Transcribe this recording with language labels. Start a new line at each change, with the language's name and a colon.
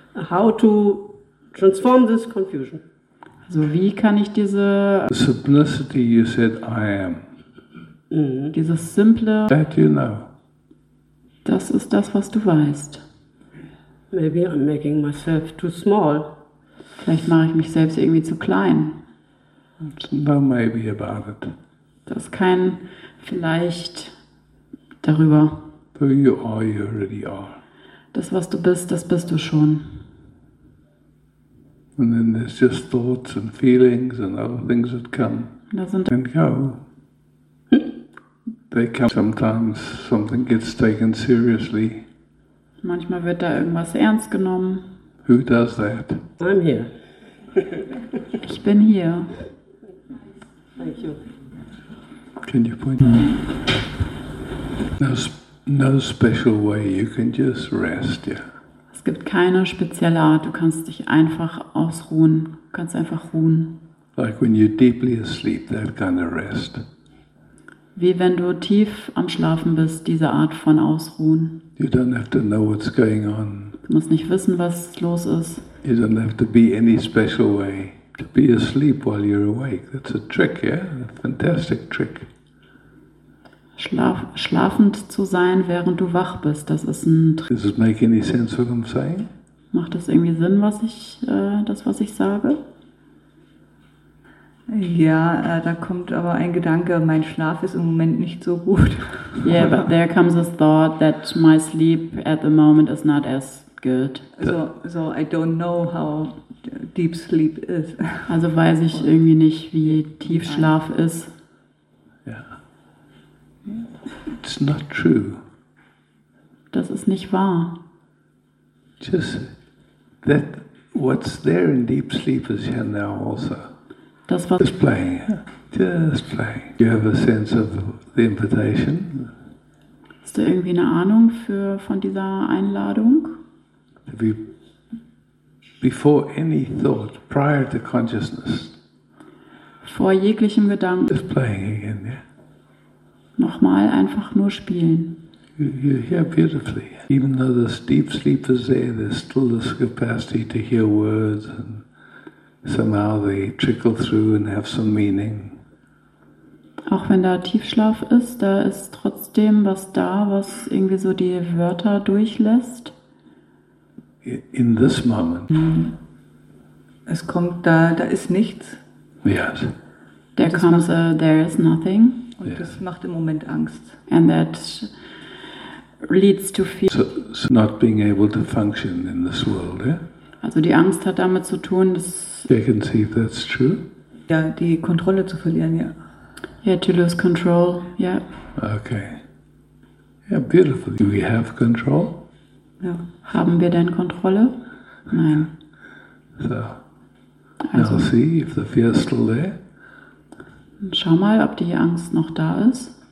English: How to transform this confusion?
German: Also wie kann ich diese
English: simplicity you said I am.
German: Dieses simple.
English: That you know.
German: Das ist das, was du weißt.
English: Maybe I'm making myself too small.
German: Vielleicht mache ich mich selbst irgendwie zu klein.
English: No maybe about it.
German: Das ist kein vielleicht darüber.
English: Who you are, you already are.
German: Das, was du bist, das bist du schon.
English: And then there's just thoughts and feelings and other things that come and go. They come sometimes, something gets taken seriously.
German: Manchmal wird da irgendwas ernst genommen.
English: Who does that? I'm here.
German: Ich bin hier.
English: Thank you. Can you point me? No special way, you can just rest, yeah.
German: Es gibt keine spezielle Art, du kannst dich einfach ausruhen, du kannst einfach ruhen.
English: Like when you're deeply asleep, that kind of rest.
German: Wie wenn du tief am Schlafen bist, diese Art von Ausruhen.
English: You don't have to know what's going on.
German: Du musst nicht wissen, was los ist.
English: You don't have to be any special way to be asleep while you're awake. That's a trick, yeah? A fantastic trick.
German: Schlafend zu sein, während du wach bist, das ist ein Trick.
English: Does it make any sense what I'm saying?
German: Macht das irgendwie Sinn, was ich sage? Ja, da kommt aber ein Gedanke, mein Schlaf ist im Moment nicht so gut.
English: Yeah, but there comes a thought that my sleep at the moment is not as good. So I don't know how deep sleep is.
German: Also weiß ich irgendwie nicht, wie tief Schlaf ist.
English: It's not true.
German: Das ist nicht wahr.
English: Just that what's there in deep sleep is here now also.
German: Das was
English: just playing. Just playing. You have a sense of the invitation.
German: Hast du irgendwie eine Ahnung von dieser Einladung?
English: Before any thought, prior to consciousness.
German: Vor jeglichem Gedanken.
English: Just playing again, yeah.
German: Nochmal einfach nur spielen.
English: You hear beautifully. Even though this deep sleep is there, there's still this capacity to hear words and somehow they trickle through and have some meaning.
German: Auch wenn da Tiefschlaf ist, da ist trotzdem was da, was irgendwie so die Wörter durchlässt.
English: In this moment.
German: Es kommt da, da ist nichts.
English: Yes. There comes a there is nothing.
German: Und yeah. Das macht im Moment Angst.
English: And that leads to fear. So not being able to function in this world, yeah?
German: Also die Angst hat damit zu tun, dass...
English: You can see if that's true.
German: Ja, die Kontrolle zu verlieren, ja.
English: Yeah, to lose control, yeah. Okay. Yeah, beautiful. Do we have control?
German: Ja. Haben wir denn Kontrolle? Nein.
English: So. Also, now see if the fear is still there.
German: Schau mal, ob die Angst noch da ist.